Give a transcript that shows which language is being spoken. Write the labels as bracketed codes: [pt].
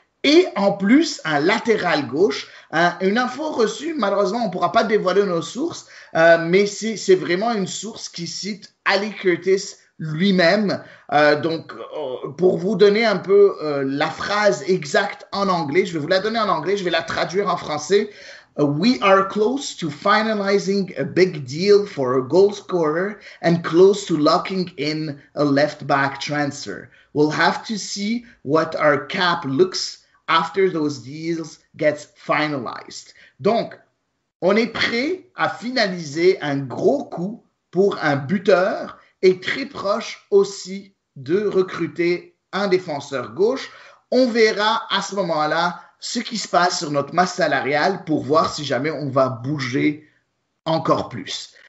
[fr] Et en plus, un latéral gauche, une info reçue, malheureusement, on ne pourra pas dévoiler nos sources, mais c'est vraiment une source qui cite Ali Curtis lui-même. Donc, pour vous donner un peu la phrase exacte en anglais, je vais vous la donner en anglais, je vais la traduire en français. [en] We are close to finalizing a big deal for a goal scorer and close to locking in a left back transfer. We'll have to see what our cap looks after those deals get finalized. [fr] Donc, on est prêt à finaliser un gros coup pour un buteur et très proche aussi de recruter un défenseur gauche. On verra à ce moment-là ce qui se passe sur notre masse salariale pour voir si jamais on va bouger encore plus.